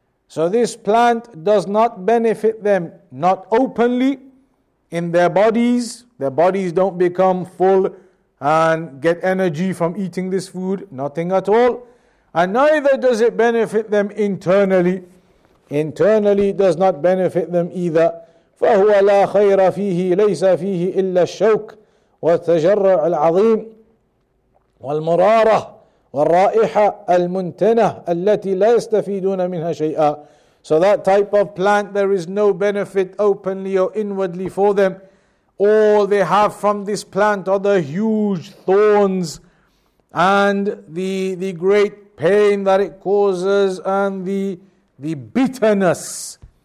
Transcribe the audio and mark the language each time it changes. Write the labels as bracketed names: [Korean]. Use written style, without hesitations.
[English] So this plant does not benefit them, not openly, in their bodies don't become full and get energy from eating this food, nothing at all. And neither does it benefit them internally. Internally, it does not benefit them either. [Arabic] فهو لا خير فيه ليس فيه إلا الشوك والتجرع العظيم والمرارة والرائحة المنتنة التي لا يستفيدون منها شيئا. [English] So that type of plant, there is no benefit openly or inwardly for them. All they have from this plant are the huge thorns and the great pain that it causes and the bitterness.